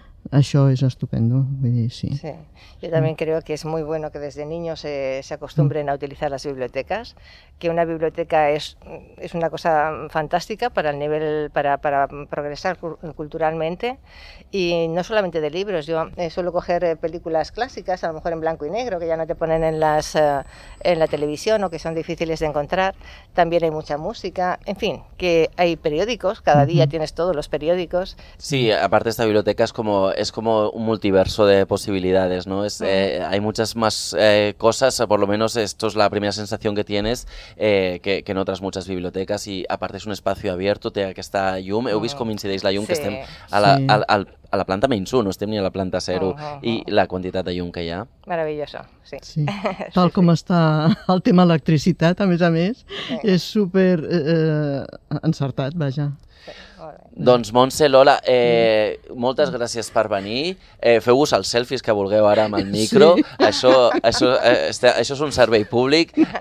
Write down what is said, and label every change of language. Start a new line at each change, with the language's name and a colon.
Catalan: Això és estupendo, vull dir, sí. Sí.
Spanish: Yo también creo que es muy bueno que desde niños se acostumbren a utilizar las bibliotecas, que una biblioteca es una cosa fantástica para el nivel, para progresar culturalmente, y no solamente de libros. Yo suelo coger películas clásicas, a lo mejor en blanco y negro, que ya no te ponen en la televisión o que son difíciles de encontrar. También hay mucha música, en fin, que hay periódicos, cada día tienes todos los periódicos. Sí, aparte esta biblioteca es como un multiverso de posibilidades, ¿no? Hay muchas más cosas, por lo menos esto es la primera sensación que tienes, que en otras muchas bibliotecas, y aparte es un espacio abierto,
Catalan: té aquesta llum, heu vist com incideix la llum, sí, que estem a la planta menys 1, no estem ni a la planta 0, i la quantitat de llum que hi ha.
Spanish: Meravilloso, sí. Sí.
Catalan: Tal com està el tema electricitat, a més, sí, és super encertat, vaja. Doncs Montse, Lola, moltes gràcies per venir. Feu-vos els selfies que vulgueu ara amb el micro. Sí. Això és un servei públic.